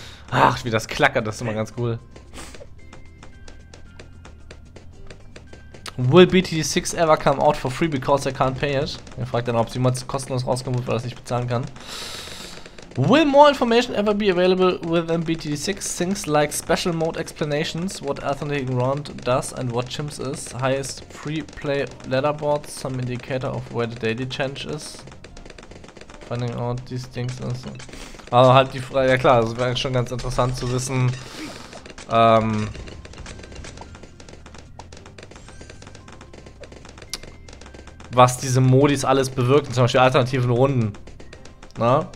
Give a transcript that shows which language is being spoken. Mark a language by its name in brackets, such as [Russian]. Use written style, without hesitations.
[German] Ach, wie das klackert, das ist immer ganz cool. [English] Will BTG6 ever come out for free because I can't pay it? [German] Er fragt dann, ob sie mal kostenlos rauskommt, weil er es nicht bezahlen kann. [English] Will more information ever be available within BTG6? Things like special mode explanations, what Athletic Round does and what Chimps is, highest free play leaderboards, some indicator of where the daily change is. Finding out these things and so. [German] Also halt die Frage, ja klar, das wäre schon ganz interessant zu wissen. Was diese Modis alles bewirken, zum Beispiel alternativen Runden. Ne?